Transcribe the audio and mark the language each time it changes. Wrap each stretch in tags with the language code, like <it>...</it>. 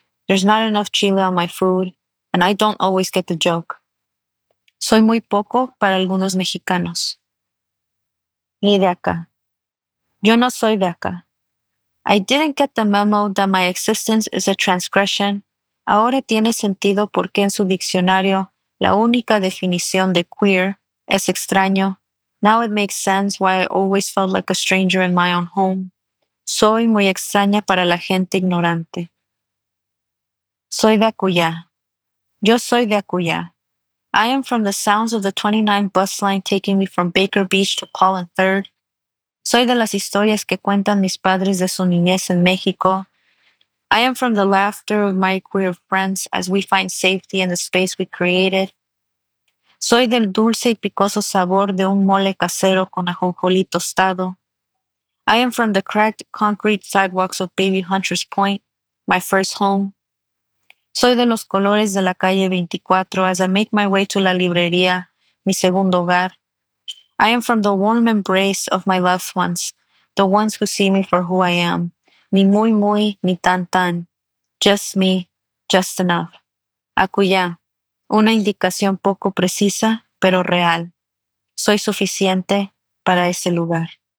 <en>There's not enough chile on my food, and I don't always get the joke.</en> <es>Soy muy poco para algunos mexicanos. Ni de acá. Yo no soy de acá.</es> <en>I didn't get the memo that my existence is a transgression.</en> <es>Ahora tiene sentido porque en su diccionario la única definición de queer es extraño.</es> <en>Now it makes sense why I always felt like a stranger in my own home.</en> <es>Soy muy extraña para la gente ignorante. Soy de Acuya. Yo soy de Acuya.</es> <en>I am from the sounds of the 29 bus line taking me from Baker Beach to Pollen Third.</en> <es>Soy de las historias que cuentan mis padres de su niñez en México.</es> <en>I am from the laughter of my queer friends as we find safety in the space we created.</en> <es>Soy del dulce y picoso sabor de un mole casero con ajonjolí tostado.</es> <en>I am from the cracked concrete sidewalks of Baby Hunter's Point, my first home.</en> <es>Soy de los colores de la calle 24</es> <en>as I make my way to</en> <es>la librería, mi segundo hogar.</es> <en>I am from the warm embrace of my loved ones, the ones who see me for who I am.</en> <es>Ni muy muy, ni tan tan.</es> <en>Just me, just enough.</en> <es>Acuya, una indicación poco precisa, pero real. Soy suficiente para ese lugar.</es>